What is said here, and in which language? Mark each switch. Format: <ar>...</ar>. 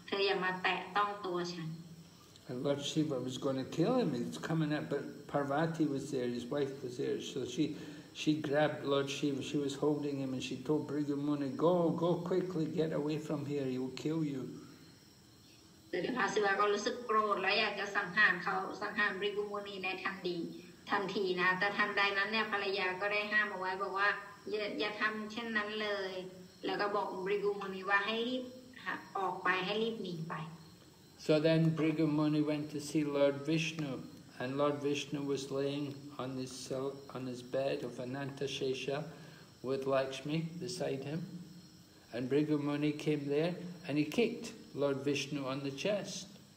<en>And Lord Shiva was going to kill him, he's coming up, but Parvati was there, his wife was there, so she grabbed Lord Shiva, she was holding him, and she told Bhrigu Muni, go quickly, get away from here, he will kill you.</en> <th>แต่พระศิวะก็รู้สึกโกรธแล้วอยากจะสังหารเขาสังหารริบุมุนีในทันทีทันทีนะแต่ทันใดนั้นเนี่ยภรรยาก็ได้ห้ามเอาไว้บอกว่าอย่าทำเช่นนั้นเลยแล้วก็บอกริบุมุนีว่าให้รีบออกไปให้รีบหนีไป</th> <en>So then Brigamuni went to see Lord Vishnu and Lord Vishnu was laying on his silk, on his bed of Anantashesha with Lakshmi beside him and Brigamuni came there and he kicked Lord Vishnu on the chest.</en>